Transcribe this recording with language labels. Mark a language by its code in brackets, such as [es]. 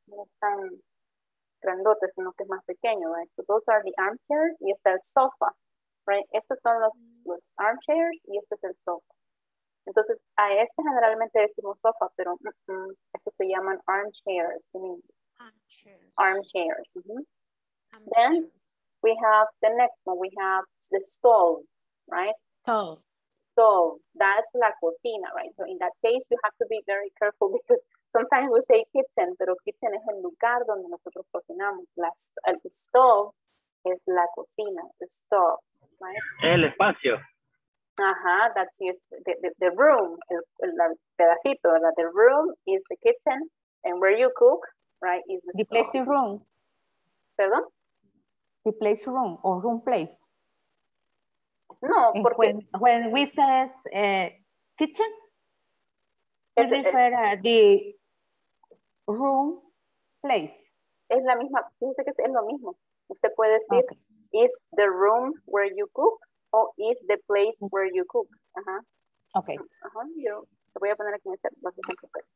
[es] No es tan grandote, sino que es más pequeño, right? [en] So those are the armchairs, [es] y está el sofa, right? Estos son los armchairs, y este es el sofa. Entonces, a este generalmente decimos sofa, pero estos se llaman armchairs en inglés. [en] Armchairs. Mm-hmm. Then we have the next one. We have the stove, right? Stove. That's la cocina, right? So in that case, you have to be very careful because sometimes we say kitchen, [es] pero kitchen es el lugar donde nosotros cocinamos. [en] The stove is la cocina, the stove, right? [es] El espacio. [en] Uh-huh, that's the room, [es] el pedacito, [en] ¿verdad? The room is the kitchen, and where you cook, right, is the place, the room. [es] ¿Perdón? [en] The place room, or room place. [es] No, porque... [en] When we say kitchen, es, we refer to the room place. [es] Es la misma, fíjense que es lo mismo. Usted puede decir, [en] okay, is the room where you cook, or is the place where you cook. Uh-huh. Okay. [es] Uh-huh, yo voy a poner aquí este, los ejemplos.